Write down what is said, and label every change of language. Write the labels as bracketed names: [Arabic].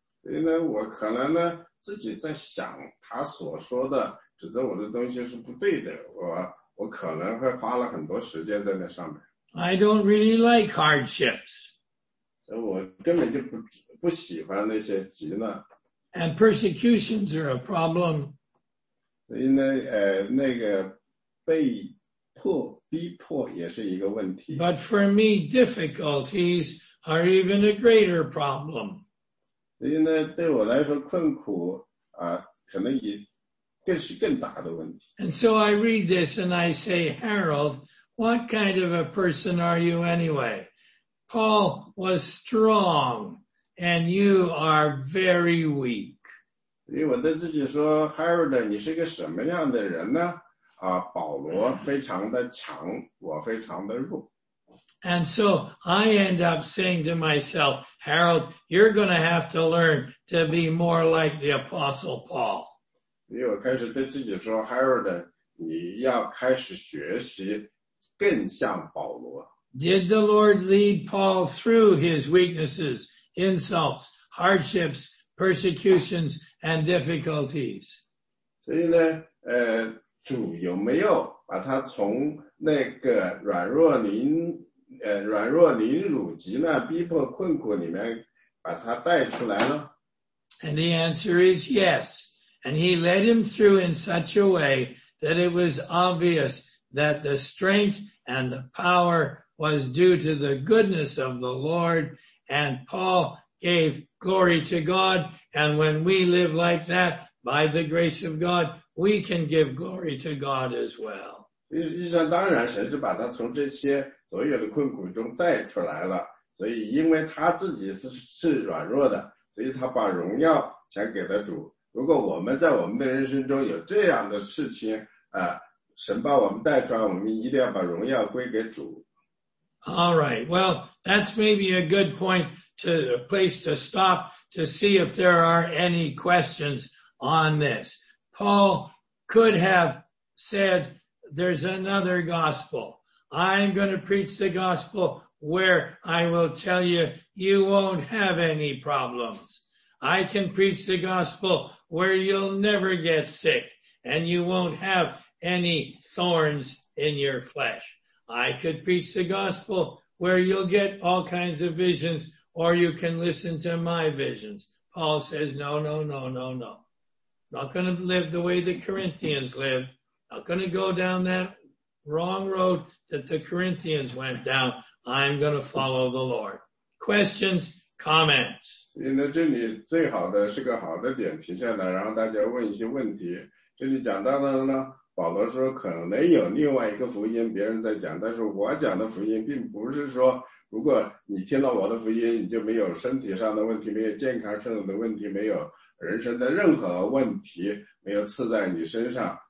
[Chinese] 所以呢，我可能呢自己在想他所说的指责我的东西是不对的，我可能会花了很多时间在那上面。 [English] I don't really like hardships. [Chinese] 所以我根本就不喜欢那些急难。 [English] And persecutions are a problem. [Chinese] 所以呢，那个被迫、逼迫也是一个问题。 [English] But for me, difficulties are even a greater problem. [Chinese] 所以呢，对我来说，困苦啊，可能也更是更大的问题。 [English] And so I read this and I say, Harold, what kind of a person are you anyway? Paul was strong, and you are very weak. [Chinese] 所以我对自己说 ，Harold， 你是个什么样的人呢？啊，保罗非常的强，我非常的弱。 [English] And so I end up saying to myself, Harold, you're going to have to learn to be more like the Apostle Paul. [Chinese] 所以我开始对自己说 ，Harold， 你要开始学习更像保罗。 [English] Did the Lord lead Paul through his weaknesses, insults, hardships, persecutions? And difficulties. [Chinese] 所以呢，主有没有把他从那个软弱、凌辱、急难、逼迫、困苦里面把他带出来呢？ [English] And the answer is yes. And he led him through in such a way that it was obvious that the strength and the power was due to the goodness of the Lord. And Paul gave glory to God. And when we live like that, by the grace of God, we can give glory to God as well. [Chinese] 实际上当然神是把他从这些所有的困苦中带出来了，所以因为他自己是软弱的，所以他把荣耀全给了主，如果我们在我们的人生中有这样的事情啊，神把我们带出来，我们一定要把荣耀归给主。 [English] All right, well, that's maybe a good point to a place to stop to see if there are any questions on this. Paul could have said, there's another gospel. I'm going to preach the gospel where I will tell you, you won't have any problems. I can preach the gospel where you'll never get sick and you won't have any thorns in your flesh. I could preach the gospel where you'll get all kinds of visions, or you can listen to my visions. Paul says, no, no, no, no, no. Not going to live the way the Corinthians lived. Not going to go down that wrong road that the Corinthians went down. I'm going to follow the Lord. Questions, comments. [Chinese] 那这里最好的是个好的点停下来，然后大家问一些问题。这里讲到的呢，保罗说可能有另外一个福音别人在讲，但是我讲的福音并不是说如果你听到我的福音你就没有身体上的问题，没有健康上的问题，没有人生的任何问题没有刺在你身上。